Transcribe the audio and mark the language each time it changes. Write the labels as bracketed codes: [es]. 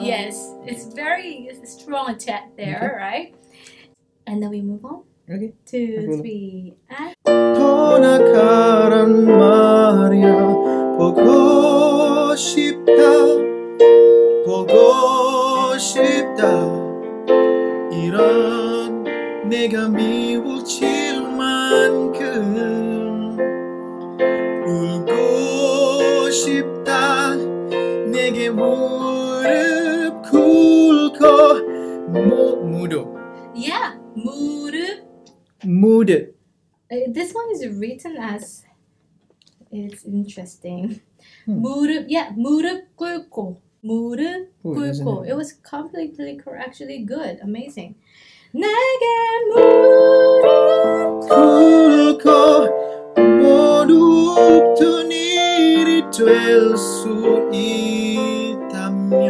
[en] Yes, it's very strong attack there, okay. right? And then we move on Okay 2, 3, and [ko] 떠나가란 말이야 보고 싶다 보고 싶다 이런 내가 미워질 만큼 울고 싶다 내게 무릎 꿇고 무릎 Yeah, 무릎 무릎 [en] This one is written as, it's interesting. [ko] 무릎, yeah, 무릎 꿇고. 무릎 꿇고. [en] It was completely correct, actually good, amazing. [ko] 내게 무릎 꿇고 무릎든 일이 될 수 있다면